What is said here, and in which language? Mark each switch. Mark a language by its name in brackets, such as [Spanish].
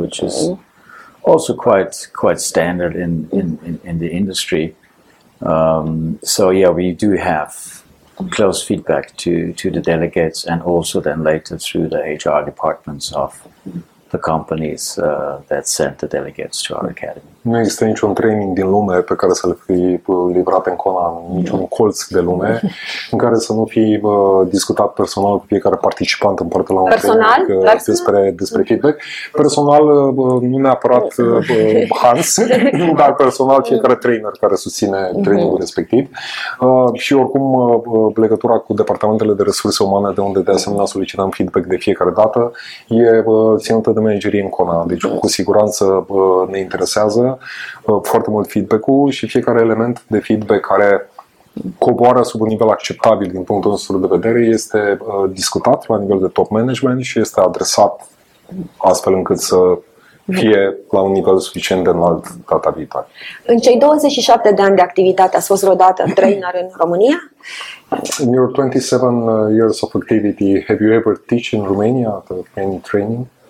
[English] which is also quite standard in the industry. So we do have close feedback to the delegates, and also then later through the HR departments of the companies that sent the delegates to our academy. [Romanian] Nu există niciun training din lume pe care să-l fi livrat în Ancona, niciun colț de lume în care să nu fi discutat personal cu fiecare participant în parte la un personal? Training despre feedback. Personal, nu neapărat Hans, dar personal fiecare trainer care susține trainingul respectiv. Și oricum legătura cu departamentele de resurse umane, de unde de asemenea solicităm feedback de fiecare dată, e ținută de managerii în Ancona. Deci cu siguranță ne interesează foarte mult feedback-ul și fiecare element de feedback care coboară sub un nivel acceptabil din punctul nostru de vedere este discutat la nivel de top management și este adresat astfel încât să fie la un nivel suficient de înalt data viitoare. În cei 27 de ani de activitate ați fost vreodată trainer în România? [English] In your 27 years of activity, have you ever teach in Romania at any training?